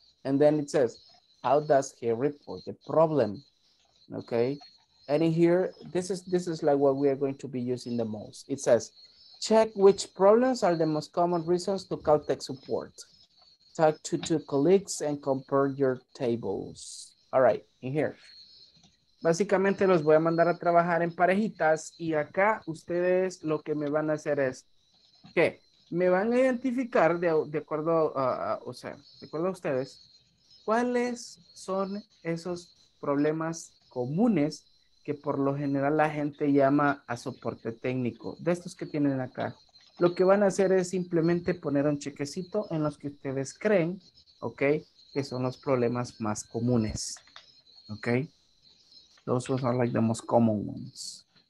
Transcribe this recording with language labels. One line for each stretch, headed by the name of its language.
English: And then it says, how does he report the problem? Okay, and in here, this is like what we are going to be using the most. It says, check which problems are the most common reasons to call tech support. Talk to two colleagues and compare your tables. All right, in here.
Spanish: Básicamente los voy a mandar a trabajar en parejitas y acá ustedes lo que me van a hacer es que me van a identificar de acuerdo a ustedes, cuáles son esos problemas comunes que por lo general la gente llama a soporte técnico, de estos que tienen acá. Lo que van a hacer es simplemente poner un chequecito en los que ustedes creen, ok, que son los problemas más comunes, ok.
English: Those ones are like the most common ones.